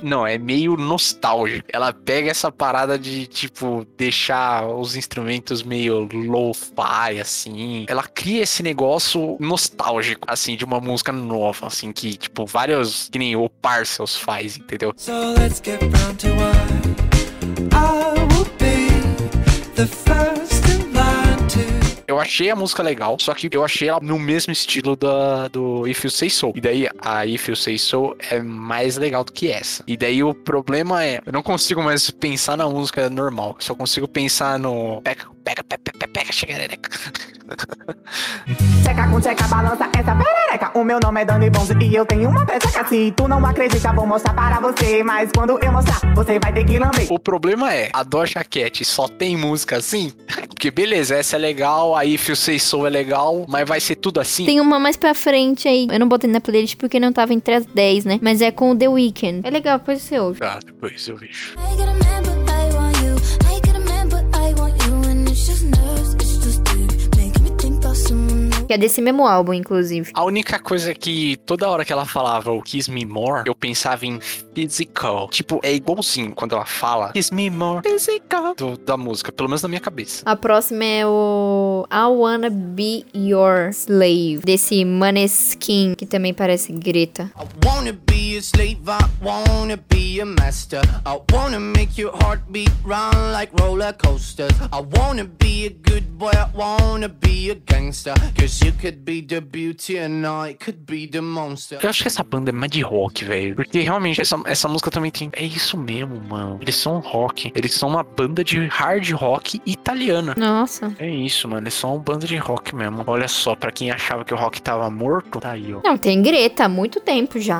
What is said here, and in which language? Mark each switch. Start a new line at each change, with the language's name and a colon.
Portuguese: Não, é meio nostálgico. Ela pega essa parada de, tipo, deixar os instrumentos meio lo-fi, assim. Ela cria esse negócio nostálgico, assim, de uma música nova, assim, que, tipo, várias... Que nem o Parcels faz, entendeu?
English: So let's get down to work. I will be the first in line to...
Portuguese: Eu achei a música legal, só que eu achei ela no mesmo estilo do If You Say So. E daí, a If You Say So é mais legal do que essa. E daí, o problema é... Eu não consigo mais pensar na música normal. Só consigo pensar no... Pega, chega, nereca. Checa com checa, balança essa perereca. O meu nome é Dani Bonzo e eu tenho uma peça. Se tu não acredita, vou mostrar para você. Mas quando eu mostrar, você vai ter que lamber. O problema é, a Doja Cat só tem música assim? Porque beleza, essa é legal. Aí, If You Say So é legal, mas vai ser tudo assim? Tem uma mais pra frente aí. Eu não botei na playlist porque não tava entre as 10, né? Mas é com o The Weeknd. É legal, depois você ouve. Ah, depois eu vejo.
English: I got a man, but I want you. I got a man, but I want you. And it's just nerves, it's just deep. Making me think about someone new.
Portuguese: Que é desse mesmo álbum, inclusive. A única coisa que toda hora que ela falava o Kiss Me More, eu pensava em physical. Tipo, é igualzinho quando ela fala Kiss Me More, physical, da música, pelo menos na minha cabeça. A próxima é o I Wanna Be Your Slave, desse Maneskin, que também parece Greta.
English: I wanna be your slave, I wanna be your master. I wanna make your heartbeat run like roller coasters. I wanna be a good boy, I wanna be a gangster. Cause you could be the beauty and I could be the monster.
Portuguese: Eu acho que essa banda é mais de rock, velho. Porque realmente, essa música também tem... É isso mesmo, mano. Eles são rock. Eles são uma banda de hard rock italiana. Nossa. É isso, mano. Eles são uma banda de rock mesmo. Olha só, pra quem achava que o rock tava morto, tá aí, ó. Não, tem Greta há muito tempo já.